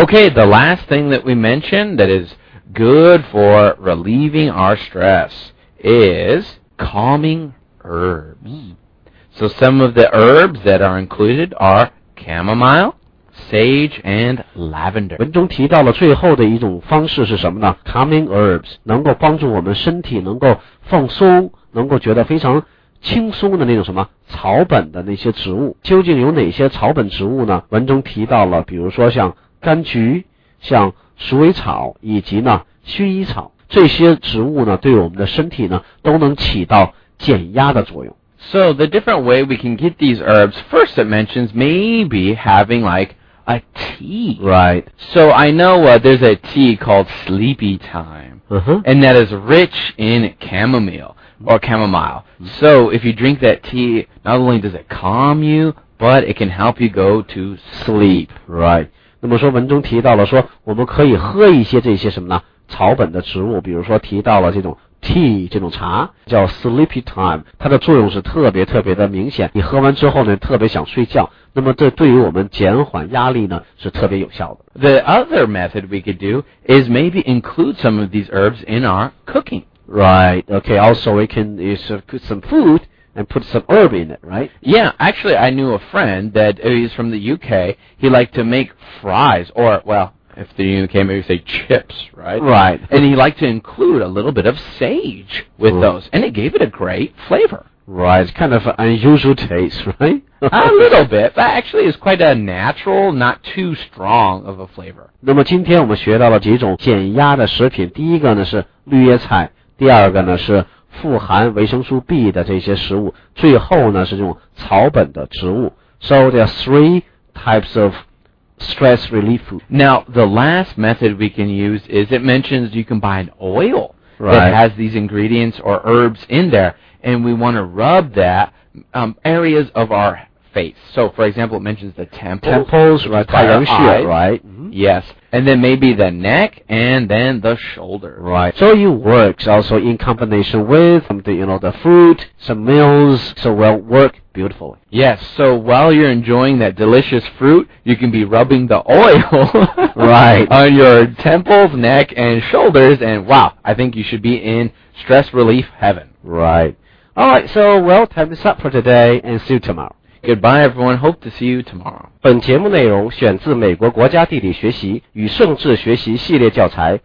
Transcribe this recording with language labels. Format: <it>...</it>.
<en>Okay, the last thing that we mentioned that is good for relieving our stress is calming herbs. So some of the herbs that are included are chamomile,Sage and lavender.</en> <zh>文中提到了最后的一种方式是什么呢 ?Calming herbs, 能够帮助我们身体能够放松，能够觉得非常轻松的那种什么草本的那些植物。究竟有哪些草本植物呢？文中提到了比如说像柑橘，像鼠尾草，以及呢薰衣草。这些植物呢对我们的身体呢都能起到减压的作用。</zh> <en>So the different way we can get these herbs, first it mentions maybe having like a tea. Right. So I know there's a tea called Sleepy Time, and that is rich in chamomile. So if you drink that tea, not only does it calm you, but it can help you go to sleep. Right.</en> <zh>那么说文中提到了说我们可以喝一些这些什么呢草本的植物，比如说提到了这种tea 这种茶叫 sleepy time， 它的作用是特别特别的明显，你喝完之后呢特别想睡觉，那么这对于我们减缓压力呢是特别有效的。</zh> <en>The other method we could do is maybe include some of these herbs in our cooking. Right, okay, also we can cook some food and put some herb in it, right? Yeah, actually I knew a friend that he's from the UK, he liked to make fries or, well,If they're in the UK, maybe say chips, right? Right. And he liked to include a little bit of sage with those. And it gave it a great flavor. Right. It's kind of an unusual taste, right? A little bit. But actually, it's quite a natural, not too strong of a flavor.</en> <zh>那么今天我们学到了几种减压的食品。第一个呢是绿叶菜。第二个呢是富含维生素 B 的这些食物。最后呢是这种草本的植物。</zh> <en>So there are three types of... Stress relief food. Now, the last method we can use is it mentions you can buy an oil that has these ingredients or herbs in there, and we want to rub that areas of our face. So, for example, it mentions the temples right, by our eyes, right? Yes. And then maybe the neck and then the shoulder. Right. So it works also in combination with the fruit, some meals, so will work beautifully. Yes. So while you're enjoying that delicious fruit, you can be rubbing the oil right. on your temples, neck, and shoulders, and wow, I think you should be in stress relief heaven. Right. All right. So, time is up for today, and see you tomorrow. Goodbye, everyone. Hope to see you tomorrow.</en> <zh>本节目内容选自美国国家地理学习与政治学习系列教材。</zh>